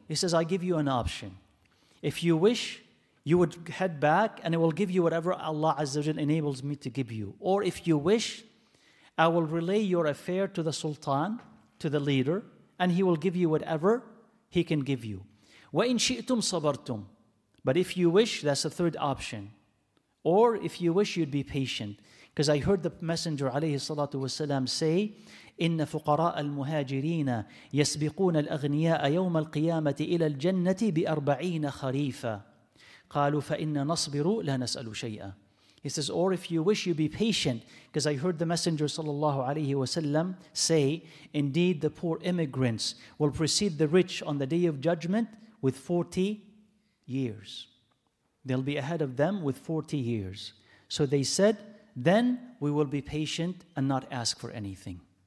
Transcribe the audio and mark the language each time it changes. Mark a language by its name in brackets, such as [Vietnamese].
[English] He says, I give you an option. If you wish, you would head back, and I will give you whatever Allah Azza wa Jalla enables me to give you. Or if you wish, I will relay your affair to the Sultan, to the leader, and he will give you whatever he can give you. [Arabic] وَإِن شِئْتُمْ صَبَرْتُمْ. [English] But if you wish, that's the third option. Or if you wish, you'd be patient. Because I heard the Messenger alayhi salatu wasalam say, [Arabic] إِنَّ فُقَرَاءَ الْمُهَاجِرِينَ يَسْبِقُونَ الْأَغْنِيَاءَ يَوْمَ الْقِيَامَةِ إِلَى الْجَنَّةِ بِأَرْبَعِينَ خَرِيفًا. قَالُوا فَإِنَّ نَصْبِرُوا لَا نَسْأَلُ شَيْئًا. [English] He says, or if you wish, you be patient, because I heard the Messenger sallallahu alayhi wasallam say, indeed the poor immigrants will precede the rich on the day of judgment with 40 years. They'll be ahead of them with 40 years. So they said, then we will be patient and not ask for anything.